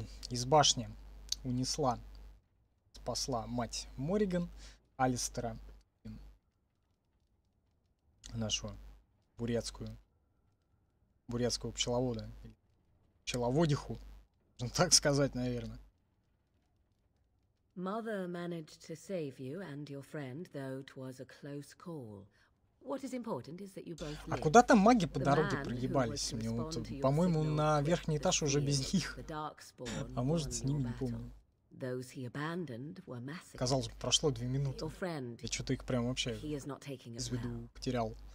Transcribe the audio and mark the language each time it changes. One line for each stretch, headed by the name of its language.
Russian: Из башни унесла, спасла мать Морриган Алистера, нашу бурятскую пчеловода, пчеловодиху, можно так сказать, наверное.
English: Mother managed to save you and your friend, though it was a close call. What is important is that you both live.
Russian: А куда там маги по дороге проебались? Мне вот, по-моему, на верхний этаж уже без них. А может, с ними не помню.
English: Those he abandoned were massive.
Russian: Казалось бы, прошло 2 минуты. Я что-то их прям вообще из виду потерял.